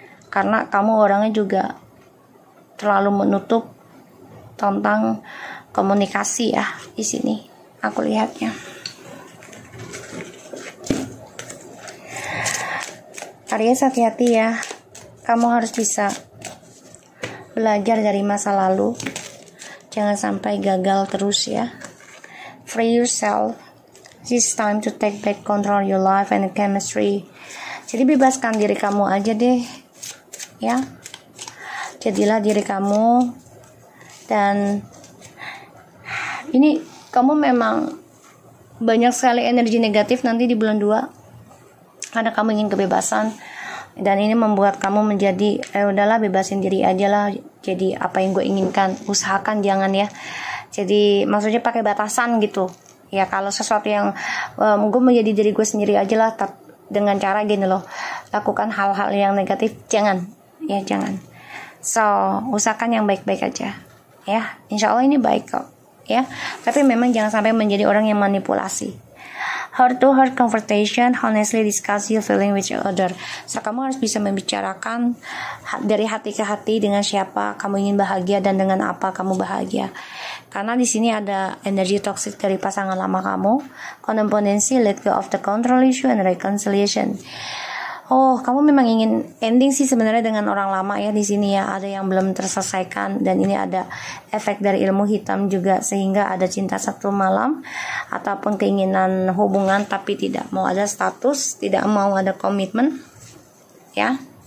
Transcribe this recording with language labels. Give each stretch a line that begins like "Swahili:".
Indonesian: Karena kamu orangnya juga terlalu menutup tentang komunikasi ya, di sini aku lihatnya. Aries, hati-hati ya, kamu harus bisa belajar dari masa lalu, jangan sampai gagal terus ya.
English: Free yourself, it's time to take back control your life and chemistry.
Indonesian: Jadi bebaskan diri kamu aja deh ya, jadilah diri kamu. Dan ini kamu memang banyak sekali energi negatif nanti di bulan 2 karena kamu ingin kebebasan, dan ini membuat kamu menjadi udahlah bebasin diri aja lah, jadi apa yang gue inginkan, usahakan jangan ya. Jadi maksudnya pakai batasan gitu ya, kalau sesuatu yang gue menjadi diri gue sendiri aja lah, dengan cara gini loh, lakukan hal-hal yang negatif jangan ya, jangan. So usahakan yang baik-baik aja ya, insya Allah ini baik kok ya. Tapi memang jangan sampai menjadi orang yang manipulasi.
English: Heart to heart conversation, honestly discuss your feeling with your other.
Indonesian: So kamu harus bisa membicarakan dari hati ke hati dengan siapa kamu ingin bahagia dan dengan apa kamu bahagia. Karena di sini ada energi toxic dari pasangan lama kamu.
English: Condependency, let go of the control issue and reconciliation.
Indonesian: Oh, kamu memang ingin ending sih sebenarnya dengan orang lama ya di sini ya. Ada yang belum terselesaikan dan ini ada efek dari ilmu hitam juga, sehingga ada cinta satu malam ataupun keinginan hubungan tapi tidak mau ada status, tidak mau ada komitmen ya.